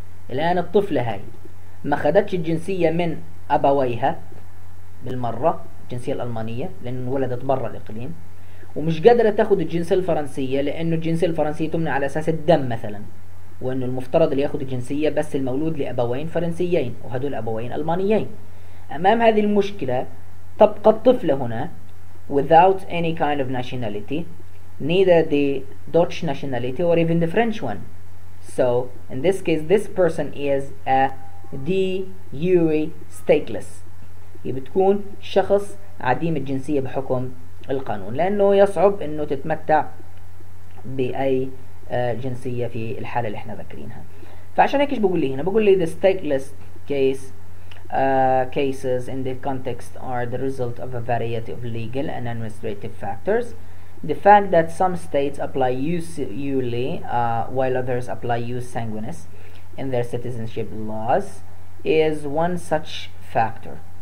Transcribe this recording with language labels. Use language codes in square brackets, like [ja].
[ar] الان الطفلة هاي ما خدتش الجنسية من ابويها بالمرة، الجنسية الالمانية، لانه ولدت برا الاقليم، ومش قادرة تاخد الجنسية الفرنسية لانه الجنسية الفرنسية تمنع على اساس الدم مثلا، وانه المفترض اللي ياخد الجنسية بس المولود لابوين فرنسيين وهدول ابوين المانيين. امام هذه المشكلة تبقى الطفلة هنا [en] without any kind of nationality, neither the Dutch nationality or even the French one. So in this case, this person is a de jure stateless. [ar] هي بتكون شخص عديم الجنسية بحكم القانون، لأنه يصعب إنه تتمتع بأي جنسية في الحالة اللي إحنا ذكرينها. فعشان هيك إيش بقول لي هنا؟ بقول لي [en] the stateless case. Cases in the context are the result of a variety of legal and administrative factors. The fact that some states apply usually while others apply jus sanguinis in their citizenship laws is one such factor.